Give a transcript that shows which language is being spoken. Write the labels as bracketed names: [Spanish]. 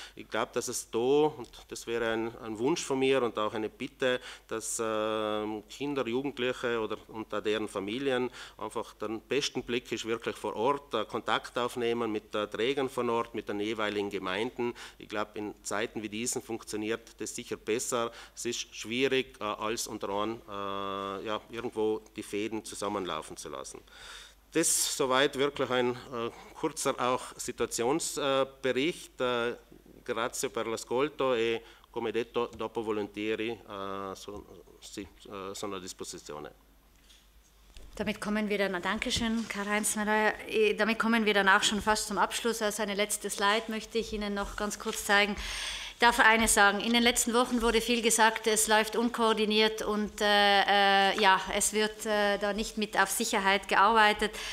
[German] Ich glaube, dass es da, und das wäre ein Wunsch von mir und auch eine Bitte, dass Kinder, Jugendliche oder unter deren Familien einfach den besten Blick ist, wirklich vor Ort Kontakt aufnehmen mit Trägern von Ort, mit den jeweiligen Gemeinden. Ich glaube, in Zeiten wie diesen funktioniert das sicher besser. Es ist schwierig, als unter anderem ja, irgendwo die Fäden zusammenlaufen zu lassen. Das soweit wirklich ein kurzer auch Situationsbericht. [Italian] Grazie per l'ascolto e come detto, dopo volentieri sono a disposizione. [German] Damit kommen wir dann, Dankeschön, Karl-Heinz Mayer, damit kommen wir dann auch schon fast zum Abschluss. Also eine letzte Slide möchte ich Ihnen noch ganz kurz zeigen. Ich darf eines sagen, in den letzten Wochen wurde viel gesagt, es läuft unkoordiniert und ja, es wird da nicht mit auf Sicherheit gearbeitet.